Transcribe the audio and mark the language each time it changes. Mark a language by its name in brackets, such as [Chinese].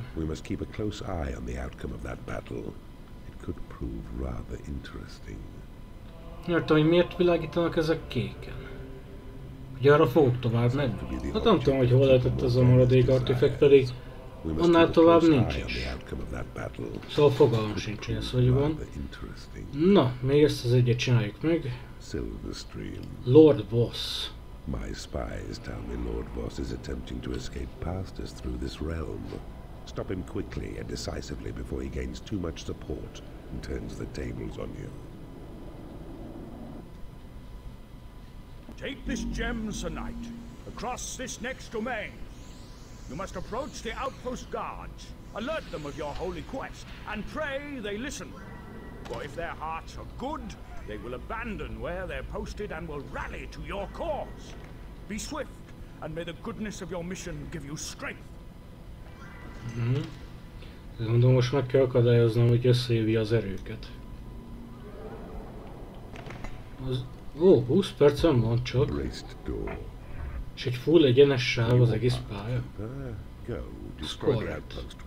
[English] We must keep a close eye on the outcome of that battle. It could prove rather interesting. [Hungarian] Értem, hogy miért világítanak ezek kéken? Ugye arra fogok tovább menni? Hát nem tudom, hogy hol lehetett az a maradék artifact, pedig annál tovább nincs is. Szóval fogalmam sincs, hogy ez hogy van. Na, még ezt az egyet csináljuk meg. [English] Lord Voss. My spies tell me Lord Voss is attempting to escape past us through this realm. Stop him quickly and decisively before he gains too much support and turns the tables on you. Take this gem, Sir Knight, across this next domain. You must approach the outpost guards, alert them of your holy quest, and pray they listen. For if their hearts are good, they will abandon where they're posted and will rally to your cause. Be swift, and may the goodness of your mission give you strength. Mm-hmm. [Hungarian] Mondom, most meg kell akadályoznom, hogy összehívja az erőket. Az... Ó, 20 percen van csak. És egy full egyenes sáv az egész pálya. Szkolját.